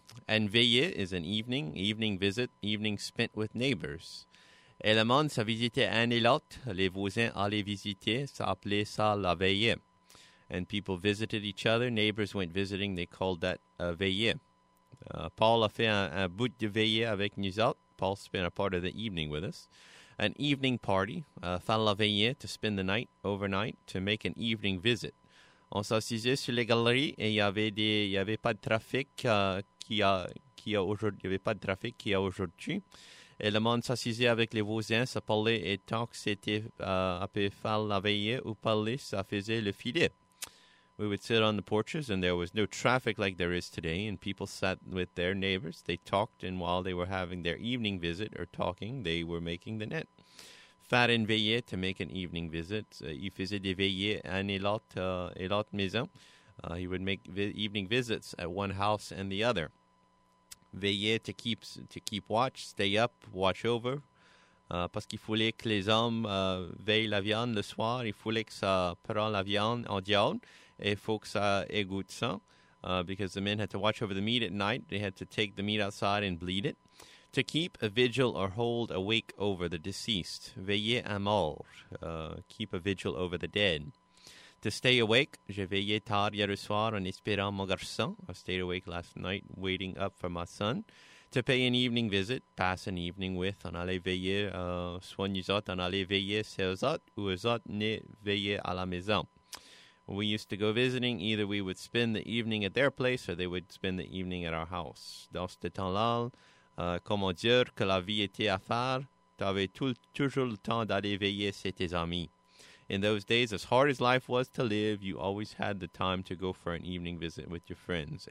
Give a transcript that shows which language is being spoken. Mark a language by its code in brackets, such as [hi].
[en] And veiller is an evening, evening visit, evening spent with neighbors. [fr] Et le monde, ça visitait un et l'autre. Les voisins allaient visiter, ça appelait ça la veillée. [en] And people visited each other. Neighbors went visiting, they called that a veillée. [fr] Paul a fait un bout de veillée avec nous autres. [en] Paul spent a part of the evening with us. An evening party, [fr] faire la veillée, [en] to spend the night, overnight, to make an evening visit. [fr] On s'assisait sur les galeries et il n'y avait pas de trafic qu'il y a aujourd'hui. Et le monde s'assisait avec les voisins, ça parlait et tant que c'était à peu faire la veillée ou parler, ça faisait le filet. [en] We would sit on the porches and there was no traffic like there is today and people sat with their neighbors. They talked and while they were having their evening visit or talking, they were making the net. [fr] Faire une veillée, [en] to make an evening visit. [fr] Il faisait des veillées à une et l'autre maison. [en] He would make evening visits at one house and the other. Veiller, to keep watch, stay up, watch over. [fr] Parce qu'il fallait que les hommes veillent la viande le soir. Il fallait que ça prend la viande en diable. Et il faut que ça égoutte ça. [en] Because the men had to watch over the meat at night. They had to take the meat outside and bleed it. To keep a vigil or hold awake over the deceased. [fr] Veiller à mort. [en] Keep a vigil over the dead. To stay awake, [fr] j'ai veillé tard hier soir en espérant mon garçon. [en] I stayed awake last night waiting up for my son. To pay an evening visit, pass an evening with. [fr] On allait veiller, soit nous autres, on allait veiller chez eux autres, ou eux autres n'est veillé à la maison. [en] We used to go visiting, either we would spend the evening at their place or they would spend the evening at our house. [fr] Dans ce temps-là, comment dire que la vie était à faire, t'avais toujours le temps d'aller veiller chez tes amis. [en] In those days, as hard as life was to live, you always had the time to go for an evening visit with your friends.